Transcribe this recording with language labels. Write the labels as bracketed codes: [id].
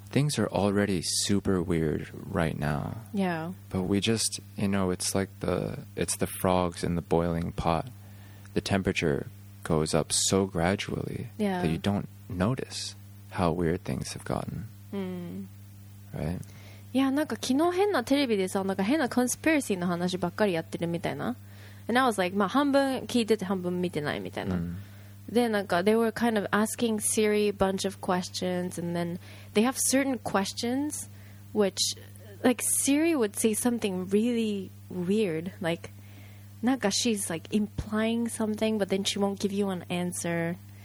[en] Things are already super weird right now. Yeah. But we just, you know, it's like the, it's the frogs in the boiling pot. The temperature goes up so gradually that you don't notice how weird things have gotten. Right? [ja] Yeah, なんか昨日変なテレビでさ、なんか変なコンスピラシーの話ばっかりやってるみたいな。 [en] And I was like, [ja] まあ半分聞いてて半分見てないみたいな。で、なんか [en] they were kind of asking Siri a bunch of questions, and then they have certain questions which like Siri would say something really weird, like なんか she's like implying something but then she won't give you an answer.